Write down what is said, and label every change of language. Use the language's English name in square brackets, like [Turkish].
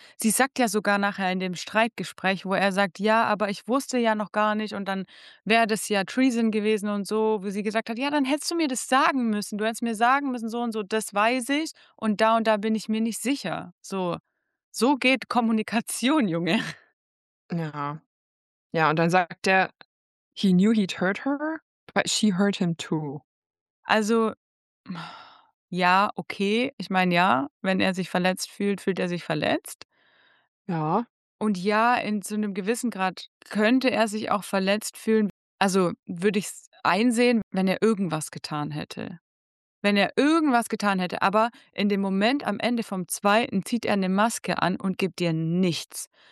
[German] Sie sagt ja sogar nachher in dem Streitgespräch, wo er sagt, ja, aber ich wusste ja noch gar nicht und dann wäre das ja Treason gewesen und so, wo sie gesagt hat, ja, dann hättest du mir das sagen müssen. Du hättest mir sagen müssen, so und so, das weiß ich und da bin ich mir nicht sicher. So geht Kommunikation, Junge. Ja. Ja, und dann sagt er, [English] he knew he'd hurt her, but she hurt him too. [German] Also, ja, okay. Ich meine, ja, wenn er sich verletzt fühlt, fühlt er sich verletzt. Ja. Und ja, in so einem gewissen Grad könnte er sich auch verletzt fühlen. Also würde ich es einsehen, wenn er irgendwas getan hätte. Aber in dem Moment am Ende vom zweiten zieht er eine Maske an und gibt dir nichts.